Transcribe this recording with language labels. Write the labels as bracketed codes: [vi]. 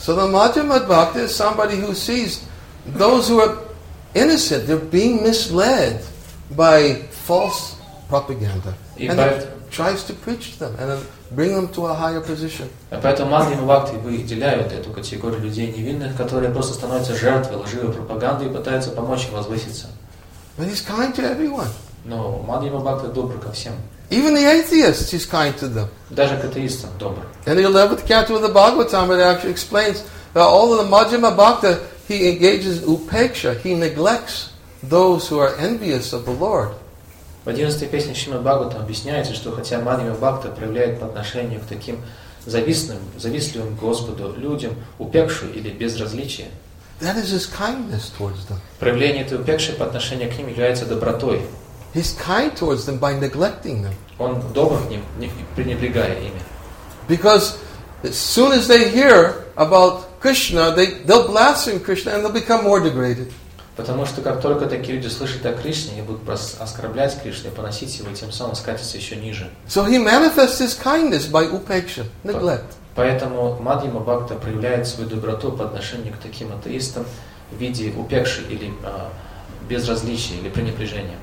[en] So the Madhyama Bhakti is somebody who sees those who are innocent, they're being misled by false propaganda. And tries to preach to them and bring them to a higher position. [ru] Поэтому Мадхима Бхакти выделяют эту категорию людей невинных, которые просто становятся жертвой лживой пропаганды и пытаются помочь им возвыситься. [en] But he's kind to everyone. [ru] Но Мадхима Бхакти добр ко всем. [en] Even the atheists, he's kind to them. [ru] Даже к атеистам добр. [en] In the 11th canto of the Bhagavatam, it actually explains that all of the Мадхима Бхакти, he engages upeksha, he neglects those who are envious of the Lord. [ru] В 11-й песне Шримад Бхагаватам объясняется, что хотя Мадхима Бхакта проявляет по отношению к таким завистным, завистливым Господу людям упекшу или безразличие, [en] that is his kindness towards them. [ru] Проявление этой упекши по отношению к ним является добротой. [en] He's kind towards them by neglecting them. [ru] Он добр к ним, не пренебрегая ими. [en] Because as soon as they hear about Krishna, they'll blaspheme Krishna and they'll become more degraded. [ru] Потому что как только такие люди слышат о Кришне, они будут оскорблять Кришну, поносить его, и тем самым скатиться еще ниже. [en] So he manifests his kindness by upeksha, neglect. [ru] Поэтому Мадхима Бхакта проявляет свою доброту по отношению к таким атеистам в виде упекши или безразличия или пренебрежения.